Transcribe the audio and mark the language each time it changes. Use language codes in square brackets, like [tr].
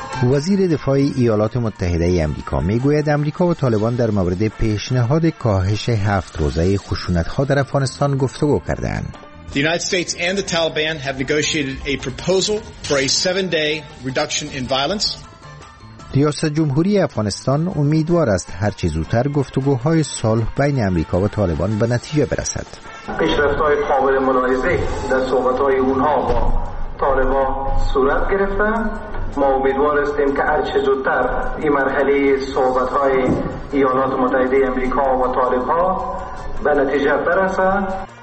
[fa] وزیر دفاع ایالات متحده امریکا میگوید امریکا و طالبان در مورد پیشنهاد کاهش 7 روزه خشونت‌ها در افغانستان گفتگو کردند. [en] The United States and the Taliban have negotiated a proposal for a 7-day reduction in violence. [fa] ریاست جمهوری افغانستان امیدوار است هر چه زودتر گفتگوهای صلح بین امریکا و طالبان به نتیجه برسد. پیشرفت‌های قابل ملاحظه در صحبت‌های اونها با طالبان صورت گرفته. ما امیدوار هستیم که هرچه زودتر این مرحله صحبت های ایالات متحده امریکا و طالب ها به نتیجه برسند.